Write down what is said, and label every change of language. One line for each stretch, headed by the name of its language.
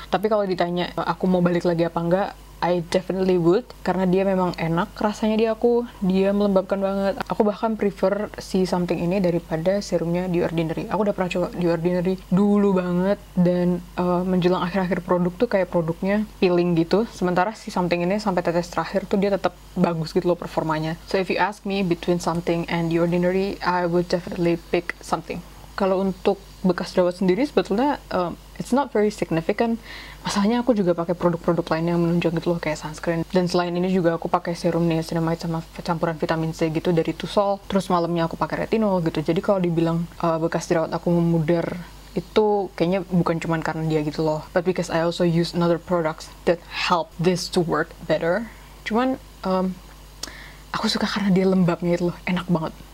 Indonesian: Tapi kalau ditanya aku mau balik lagi apa enggak,
English: I definitely would,
Indonesian: karena dia memang enak rasanya di aku, dia melembabkan banget. Aku bahkan prefer si Something ini daripada serumnya The Ordinary. Aku udah pernah coba The Ordinary dulu banget, dan menjelang akhir-akhir produk tuh kayak produknya peeling gitu, sementara si Something ini sampai tetes terakhir tuh dia tetap bagus gitu loh performanya.
English: So if you ask me between Something and The Ordinary, I would definitely pick Something.
Indonesian: Kalau untuk bekas jerawat sendiri sebetulnya
English: it's not very significant.
Indonesian: Masalahnya aku juga pakai produk-produk lain yang menunjang gitu loh, kayak sunscreen. Dan selain ini juga aku pakai serum niacinamide sama campuran vitamin C gitu dari Tusol. Terus malamnya aku pakai retinol gitu. Jadi kalau dibilang bekas jerawat aku memudar, itu kayaknya bukan cuma karena dia gitu loh.
English: But because I also use another products that help this to work better.
Indonesian: Cuman aku suka karena dia lembabnya itu loh, enak banget.